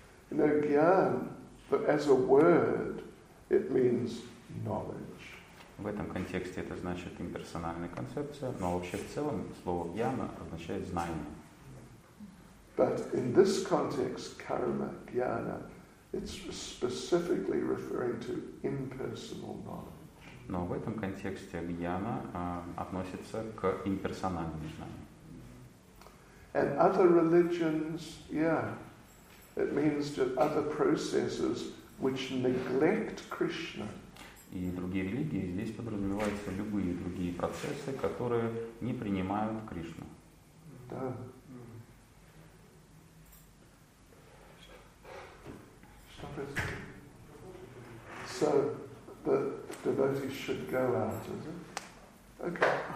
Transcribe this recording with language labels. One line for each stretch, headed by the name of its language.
English: You know, гьян, but as a word, it means knowledge.
Russian: В этом контексте это значит имперсональная концепция, но вообще в целом слово гьяна означает знание.
English: But in this context, karma, gyana, it's specifically referring to impersonal knowledge.
Russian: Но в этом контексте гьяна относится к имперсональному знанию.
English: And other religions, yeah, it means that other processes which neglect Krishna.
Russian: И другие религии, здесь подразумеваются любые другие процессы, которые не принимают Кришну. Да. Что происходит?
English: So, the devotees should go out, is it? Okay.